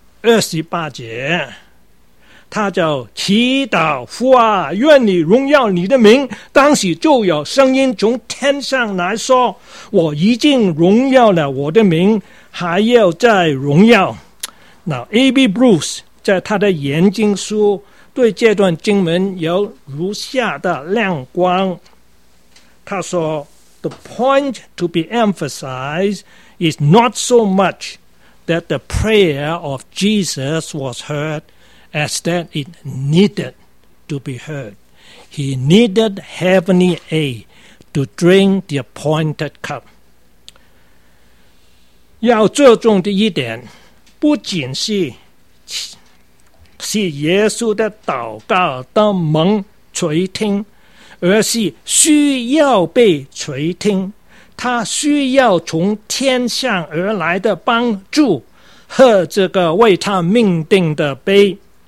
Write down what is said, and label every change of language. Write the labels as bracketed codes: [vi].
[zh] 二十八节，他就祈祷：“父啊，愿你荣耀你的名。” 当时就有声音从天上来说：“我已经荣耀了我的名，还要再荣耀。” 那 A.B. [en] Bruce [zh] 在他的研经书对这段经文有如下的亮光，他说 [en] ：“The point to be emphasized is not so much that the prayer of Jesus was heard.” As that it needed to be heard. He needed heavenly aid to drink the appointed cup. [zh] 要注重的一点，不仅是耶稣的祷告的蒙垂听，而是需要被垂听。他需要从天上而来的帮助和这个为他命定的杯。